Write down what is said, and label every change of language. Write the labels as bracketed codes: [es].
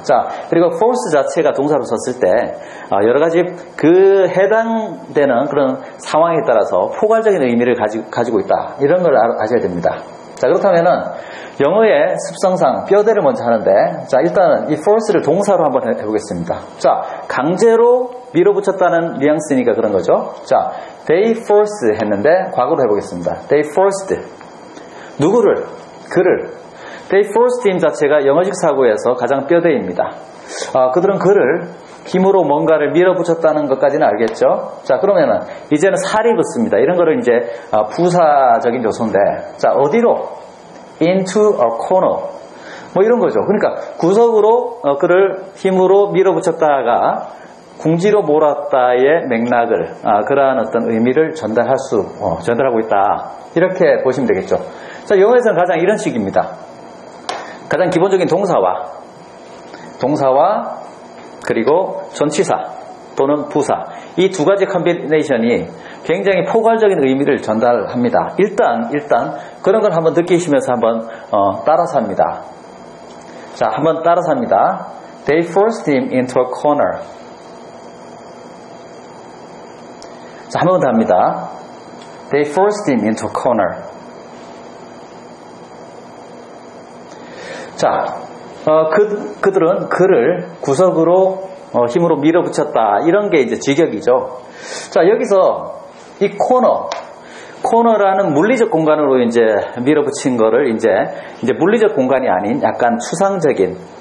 [ko] 자, 그리고 force 자체가 동사로 썼을 때 여러 가지 그 해당되는 그런 상황에 따라서 포괄적인 의미를 가지고 있다. 이런 걸 아셔야 됩니다. 자, 그렇다면은 영어의 습성상 뼈대를 먼저 하는데 자, 일단은 이 force를 동사로 한번 해보겠습니다. 자, 강제로 밀어붙였다는 뉘앙스니까 그런 거죠. 자, [en] they forced [ko] 했는데 과거로 해보겠습니다. [en] They forced [ko] 누구를? 그를. [en] They forced him [ko] 자체가 영어식 사고에서 가장 뼈대입니다. 그들은 그를 힘으로 뭔가를 밀어붙였다는 것까지는 알겠죠. 자, 그러면은 이제는 사립을 씁니다. 이런 거를 이제 부사적인 요소인데 자, 어디로? [en] Into a corner [ko] 뭐 이런 거죠. 그러니까 구석으로 그를 힘으로 밀어붙였다가 궁지로 몰았다의 맥락을 그러한 어떤 의미를 전달하고 있다 이렇게 보시면 되겠죠. 자, 영어에서는 가장 이런 식입니다. 가장 기본적인 동사와 그리고 전치사 또는 부사. 이 두 가지 컨비네이션이 굉장히 포괄적인 의미를 전달합니다. 일단 그런 걸 한번 느끼시면서 한번 따라서 합니다. 자, 한번 따라서 합니다. [en] They forced him into a corner. [ko] 자, 한번 더 합니다. [en] They forced him into a corner. [ko] 자, 그들은 그를 구석으로 힘으로 밀어붙였다. 이런 게 이제 직역이죠. 자, 여기서 이 코너라는 물리적 공간으로 이제 밀어붙인 거를 이제 물리적 공간이 아닌 약간 추상적인.